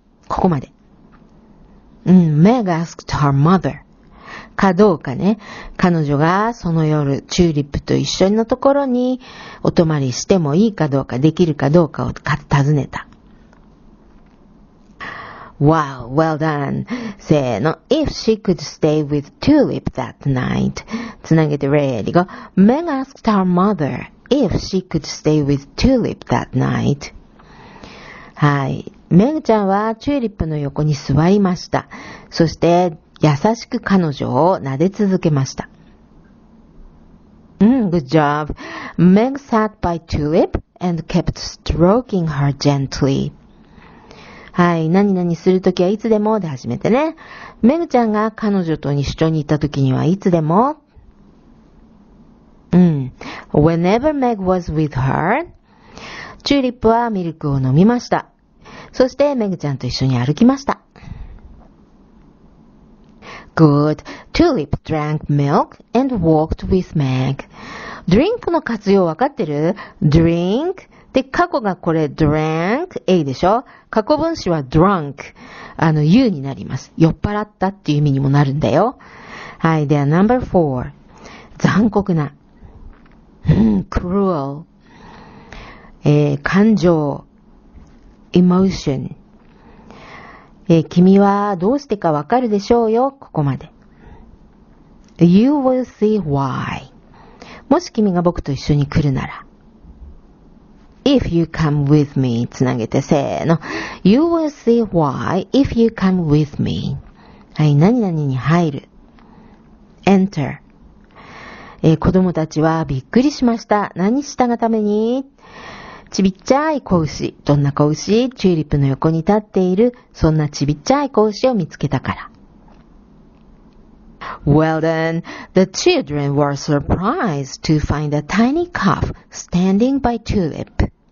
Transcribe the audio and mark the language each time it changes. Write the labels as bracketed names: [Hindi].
[Japanese] ここまで。 [English] Meg asked her mother. [Japanese] かどうかね。彼女がその夜、チューリップと一緒のところにお泊まりしてもいいかどうか、できるかどうかを尋ねた。 [English] Wow, well done. [Japanese] せーの。 [English] If she could stay with Tulip that night. [Japanese] つなげて [English] ready go. Meg asked her mother if she could stay with Tulip that night. [Japanese] はい。メグちゃんはチューリップの横に座りました。そして、優しく彼女を撫で続けました。 [English] good job. Meg sat by Tulip and kept stroking her gently. [Japanese] はい。何々するときはいつでもで始めてね。メグちゃんが彼女と一緒にいたときにはいつでも。 [English] whenever Meg was with her, [Japanese] チューリップはミルクを飲みました。そして、メグちゃんと一緒に歩きました。 [English] Good. Tulip drank milk and walked with Meg. [Japanese] Drink の活用わかってる ?drink. で、過去がこれ drank A でしょ? 過去分詞は drunk。U になります。酔っ払ったっていう意味にもなるんだよ。はい。では、 [English] number four. [Japanese] 残酷な。 [English] cruel. [Japanese] 感情、emotion、君はどうしてかわかるでしょうよ、ここまで。 [English] You will see why. [Japanese] もし君が僕と一緒に来るなら。 [English] If you come with me, [Japanese] つなげてせーの。 [English] You will see why if you come with me. [Japanese] はい、何々に入る。 [English] enter. [Japanese] 子供たちはびっくりしました。何したがために？ちびっちゃい子牛。どんな子牛？チューリップの横に立っている、そんなちびっちゃい子牛を見つけたから。 [English] Well done. The children were surprised to find a tiny calf standing by Tulip.